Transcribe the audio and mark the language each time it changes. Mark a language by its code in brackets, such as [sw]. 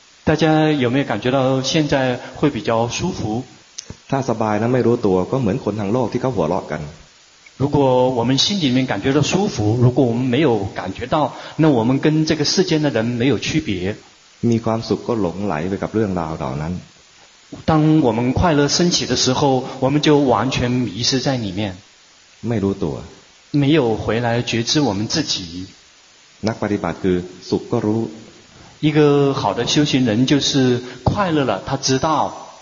[zh] 大家有没有感觉到现在会比较舒服 [th] ถ้าสบายแล้วไม่รู้ตัวก็เหมือนคนทางโลกที่เขาหัวเราะกัน [zh] 如果我们心里面感觉到舒服如果我们没有感觉到那我们跟这个世间的人没有区别 [th] มีความสุขก็หลงไหลไปกับเรื่องราวเหล่านั้น [zh] 当我们快乐升起的时候我们就完全迷失在里面 [th] ไม่รู้ตัว [zh] 没有回来觉知我们自己 [th] นักปฏิบัติคือสุขก็รู้ [zh] 一个好的修行人就是快乐了他知道